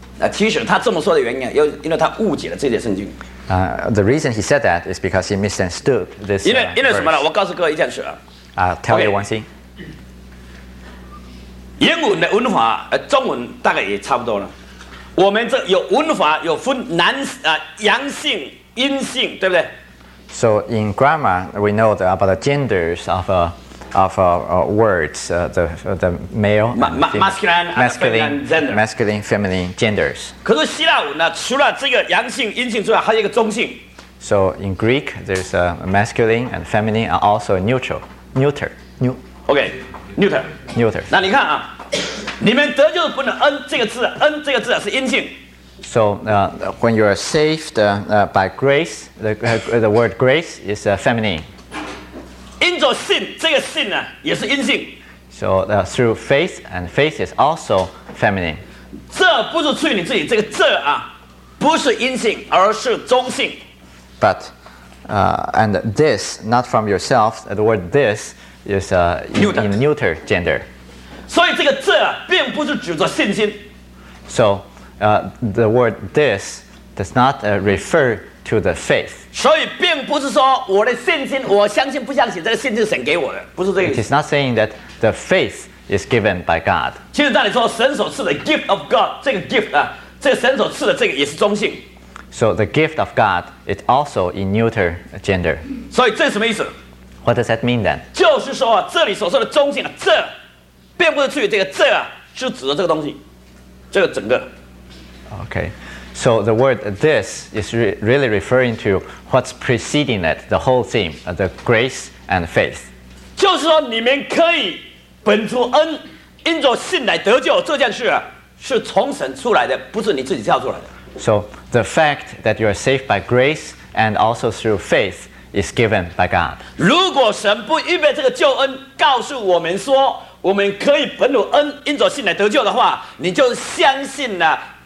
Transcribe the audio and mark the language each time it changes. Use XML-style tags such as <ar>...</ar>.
<zh>其实他这么说的原因，因为他误解了这节圣经。</zh> <en>The reason he said that is because he misunderstood this.</en> <zh>因为什么呢？我告诉各位一件事。</zh> <en>Tell you one thing.</en> <zh>英文的文法，中文大概也差不多了。我们这有文法，有分男阳性、阴性，对不对</zh> <en>？So in grammar, we know about the genders of a. Words, the male, masculine, feminine genders.</en> <zh>可是希腊文呢，除了这个阳性、阴性之外，还有一个中性。</zh> <en>So in Greek, there's a masculine and feminine, and also neutral. Okay, neuter. Neuter.</en> <zh>那你看啊，你们得救不能恩这个字，恩这个字是阴性。</zh> <en>So when you are saved by grace, the word grace is feminine.</en> <zh>因着信，这个信呢也是阴性。</zh> <en>So through faith, and faith is also feminine.</en> <zh>这不是出于你自己，这个这啊，不是阴性，而是中性。</zh> <en>But and this not from yourself. The word this is in neuter gender.</en> <zh>所以这个这并不是指着信心。</zh> <en>So the word this does not refer. To the faith.</en> <zh>所以并不是说我的信心，我相信不相信这个信心是神给我的，不是这个意思。</zh> <en>It is not saying that the faith is given by God.</en> <zh>其实那里说神所赐的</zh> <en>gift of God</en> <zh>这个 gift 啊，这个神所赐的这个也是中性。</zh> <en>So the gift of God is also in neuter gender.</en> <zh>所以这是什么意思</zh> <en>？What does that mean then?</en> <zh>就是说啊，这里所说的中性啊，这并不是出于这个这啊，是指的这个东西，这个整个。</zh> <en>Okay. So the word this is really referring to what's preceding it, the whole theme, the grace and faith.</en> <zh>就是说你们可以本出恩，因着信来得救，这件事是从神出来的，不是你自己跳出来的。</zh> <en>So the fact that you are saved by grace and also through faith is given by God.</en> <zh>如果神不预备这个救恩告诉我们说我们可以本出恩，因着信来得救的话，你就相信了。</zh>